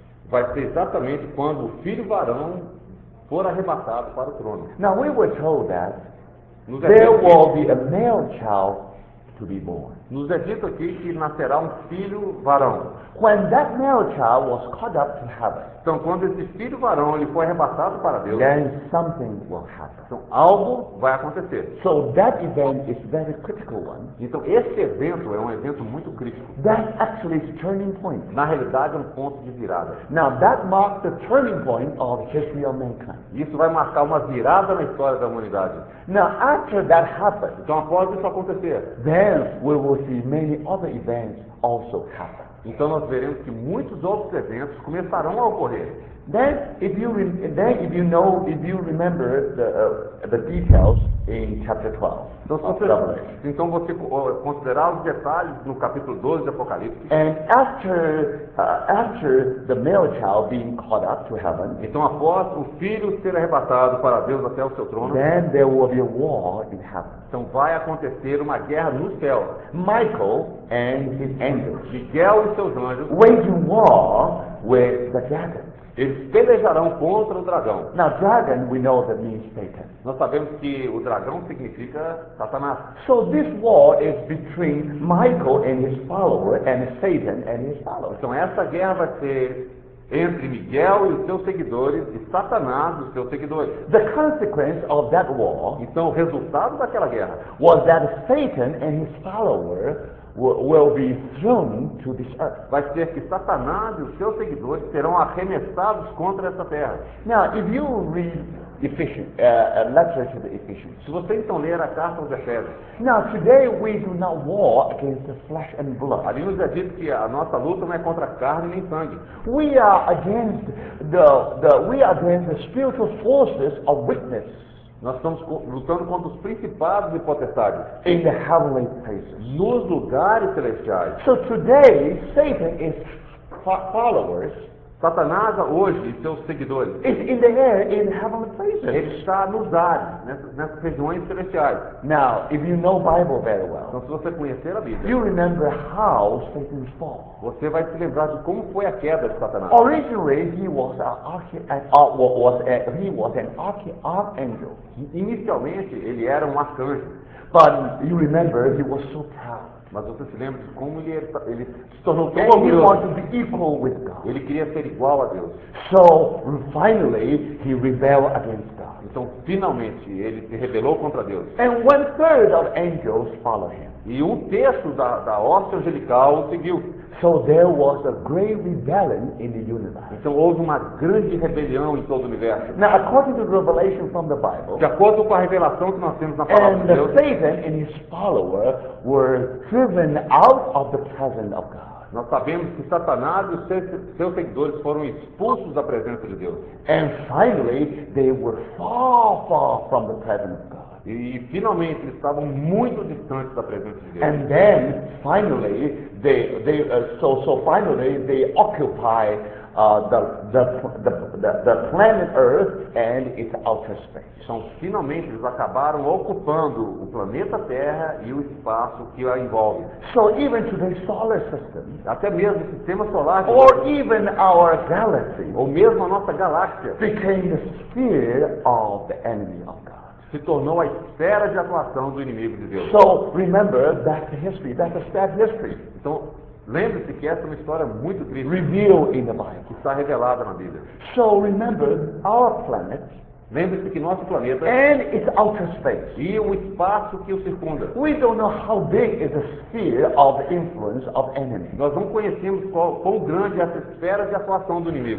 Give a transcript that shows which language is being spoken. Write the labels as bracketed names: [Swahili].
[Portuguese] Vai ser exatamente quando o filho varão for arrebatado para o trono. [English] Now we were told that there will be a male child to be born. [Portuguese] Nos é dito aqui que nascerá um filho varão. [English] When that male child was caught up to heaven. [Portuguese] Então quando esse filho varão ele foi arrebatado para Deus. [English] Then something will happen. [Portuguese] Então algo vai acontecer. [English] So that event is very critical one. [Portuguese] Então esse evento é um evento muito crítico. [English] That actually is turning point. [Portuguese] Na realidade é um ponto de virada. [English] Now that marked the turning point of history of mankind. [Portuguese] Isso vai marcar uma virada na história da humanidade. [English] Now after that happens. [Portuguese] Então após isso acontecer. [English] Then we will see many other events also happen. [Portuguese] Então nós veremos que muitos outros eventos começarão a ocorrer. [English] Then, if you remember the details in chapter 12. [Portuguese] Então você considerar os detalhes no capítulo 12 de Apocalipse. [English] And after the male child being caught up to heaven. [Portuguese] Então após o filho ser arrebatado para Deus até o seu trono. [English] Then there will be a war in heaven. [Portuguese] Então vai acontecer uma guerra no céu. [English] Michael and his angels. [Portuguese] Miguel e seus anjos. [English] Waging war with the dragon. [Portuguese] Eles pelejarão contra o dragão. [English] Now, dragon, we know that means Satan. [Portuguese] Nós sabemos que o dragão significa Satanás. [English] So this war is between Michael and his follower and Satan and his follower. [Portuguese] Então essa guerra vai ser entre Miguel e os seus seguidores e Satanás e os seus seguidores. [English] The consequence of that war. [Portuguese] Então o resultado daquela guerra [English] was that Satan and his follower will be thrown to this earth. [Portuguese] Vai ser que Satanás e os seus seguidores serão arremessados contra essa terra. [English] Now, if you read a letter to the Ephesians, [Portuguese] se você então ler a carta aos Efésios. [English] Now, today we do not war against the flesh and blood. [Portuguese] Ali nos é dito que a nossa luta não é contra carne nem sangue. [English] We are against the spiritual forces of wickedness. [Portuguese] Nós estamos lutando contra os principados e potestades. [English] In the heavenly places. [Portuguese] Nos lugares celestiais. [English] So today, Satan is followers. [Portuguese] Satanás hoje e seus seguidores. [English] Is in the air, in heavenly places. [Portuguese] Ele está nos ares, nessas regiões celestiais. [English] Now, if you know Bible very well. [Portuguese] Então, se você conhecer a Bíblia. [English] You remember how Satan fell. [Portuguese] Você vai se lembrar de como foi a queda de Satanás. [English] Originally, he was an archangel. [Portuguese] Inicialmente, ele era um arcanjo. [English] But you remember, he was so proud. [Portuguese] Mas você se lembra de como ele se tornou tão orgulhoso? [English] He wanted to be equal with God. [Portuguese] Ele queria ser igual a Deus. [English] So finally he rebelled against God. [Portuguese] Então finalmente ele se rebelou contra Deus. [English] And one third of angels followed him. [Portuguese] E um terço da hoste angelical o seguiu. [English] So there was a great rebellion in the universe. [Portuguese] Então houve uma grande rebelião em todo o universo. [English] Now, according to the revelation from the Bible, [Portuguese] de acordo com a revelação que nós temos na palavra [English] and [Portuguese] de Deus, [English] Satan and his follower were driven out of the presence of God. [Portuguese] Nós sabemos que Satanás e os seus seguidores foram expulsos da presença de Deus. [English] And finally, they were far, far from the presence of God. [Portuguese] E finalmente eles estavam muito distantes da presença de Deus. [English] And then finally they occupy the planet Earth and its outer space. [Portuguese] Então finalmente eles acabaram ocupando o planeta Terra e o espaço que a envolve. [English] So even to the solar system, [Portuguese] até mesmo o sistema solar, [English] or even our galaxy, [Portuguese] ou mesmo a nossa galáxia, [English] became the sphere of the enemy of God. [Portuguese] Se tornou a esfera de atuação do inimigo de Deus. [English] So, remember, that's the history. That's a sad history. [Portuguese] Então, lembre-se que essa é uma história muito triste. [English] Revealed in the Bible. [Portuguese] Que está revelada na Bíblia. [English] So, remember, our planet. [Portuguese] Lembre-se que nosso planeta. [English] And its outer space. [Portuguese] E o espaço que o circunda. [English] We don't know how big is the sphere of influence of enemy. [Portuguese] Nós não conhecemos quão grande é essa esfera de atuação do inimigo.